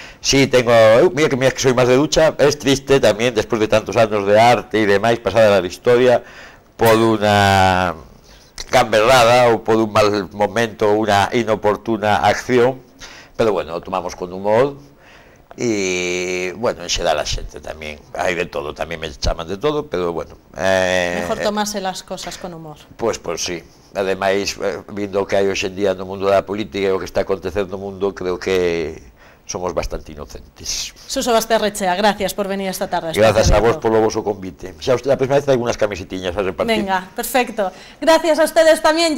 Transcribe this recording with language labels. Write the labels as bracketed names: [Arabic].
[Spanish] Sí, tengo, mira que soy más de ducha, es triste también, después de tantos años de arte y demás, pasada la historia, por una camberrada o por un mal momento, una inoportuna acción, pero bueno, tomamos con humor. [Galician] E, bueno, en xeral a xente tamén, hai de todo, tamén me chaman de todo, pero bueno... [Spanish] Mejor tomase las cosas con humor. Pues, pues sí. [Galician] Ademais, vindo o que hai hoxendía no mundo da política e o que está acontecendo no mundo, creo que somos bastante inocentes. [Spanish] Suso Basterrechea, gracias por venir esta tarde. [Galician] Gracias a vos polo voso convite. Xa usted, a próxima vez, algunhas camisetiñas a repartir. [Spanish] Venga, perfecto. Gracias a ustedes [Galician] tamén.